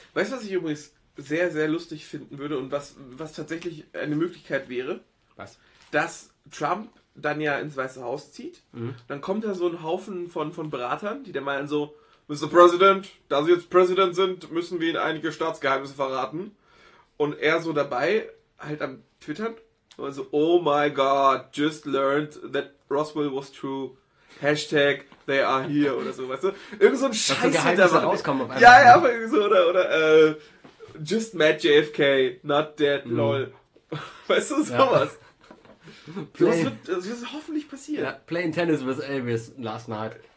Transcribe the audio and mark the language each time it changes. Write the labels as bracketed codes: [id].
[de] Weißt du, was ich übrigens sehr, sehr lustig finden würde und was tatsächlich eine Möglichkeit wäre? Was? Dass Trump dann ja ins Weiße Haus zieht. Mhm. Dann kommt da so ein Haufen von Beratern, die dann meinen so, Mr. President, da Sie jetzt President sind, müssen wir Ihnen einige Staatsgeheimnisse verraten. Und er so dabei, halt am Twittern, also, [en] oh my god, just learned that Roswell was true. [de] Hashtag, [en] they are here [de] oder so, weißt du? Irgend so ein Scheiß hinter sich rauskommen. Ja, ja, aber irgendwie so, oder, [en] just met JFK, not dead, lol. [de] Weißt du, sowas. Ja. Das wird hoffentlich passieren. Ja, [en] playing tennis with Elvis last night.